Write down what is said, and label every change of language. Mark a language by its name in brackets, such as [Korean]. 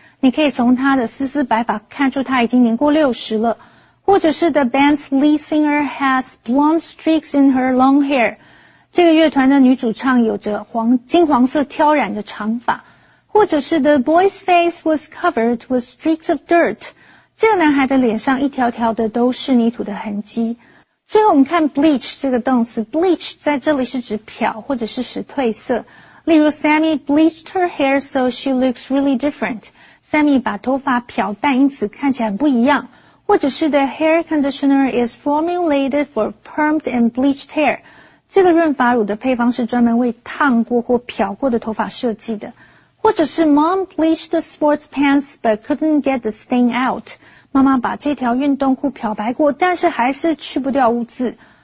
[Chinese] 你可以从她的丝丝白发看出她已经年过60了。或者是 [English] the band's lead singer has blonde streaks in her long hair. [Chinese] 这个乐团的女主唱有着黄金黄色挑染的长发。或者是 [English] the boy's face was covered with streaks of dirt. [Chinese] 这个男孩的脸上一条条的都是泥土的痕迹。最后我们看 bleach 这个动词 ,bleach 在这里是指漂或者是使褪色。例如 [English] Sammy bleached her hair so she looks really different. [Chinese] Sammy 把头发漂淡因此看起来不一样。或者是 [English] the hair conditioner is formulated for permed and bleached hair. [Chinese] 这个润发乳的配方是专门为烫过或漂过的头发设计的。或者是 [English] mom bleached the sports pants but couldn't get the stain out. [Chinese] 妈妈把这条运动裤漂白过但是还是去不掉污渍。